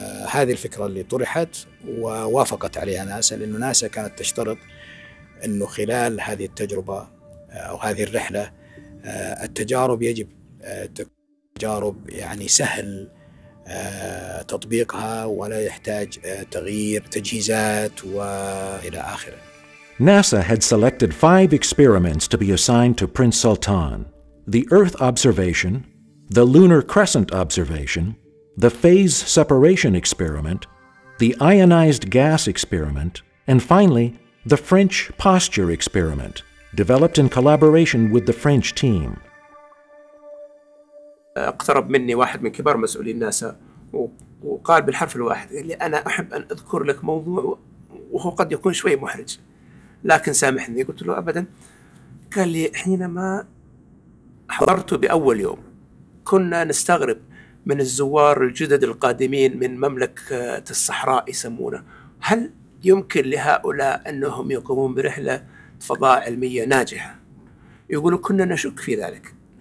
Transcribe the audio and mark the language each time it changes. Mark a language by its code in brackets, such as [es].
[ar] هذه الفكرة اللي طرحت ووافقت عليها ناسا، لأن ناسا كانت تشترط أنه خلال هذه التجربة أو هذه الرحلة التجارب يجب تجارب يعني سهل تطبيقها ولا يحتاج تغيير تجهيزات وإلى آخره. [en] NASA had selected 5 experiments to be assigned to Prince Sultan: the Earth observation, the lunar crescent observation, the phase separation experiment, the ionized gas experiment, and finally, the French posture experiment, developed in collaboration with the French team. [ar] اقترب مني واحد من كبار مسؤولي ناسا وقال بالحرف الواحد اللي انا احب ان اذكر لك موضوع وهو قد يكون شوي محرج لكن سامحني. قلت له ابدا. قال لي حينما حضرت باول يوم كنا نستغرب من الزوار الجدد القادمين من مملكة الصحراء يسمونه، هل يمكن لهؤلاء أنهم يقومون برحلة فضاء علمية ناجحة؟ يقولوا كنا نشك في ذلك.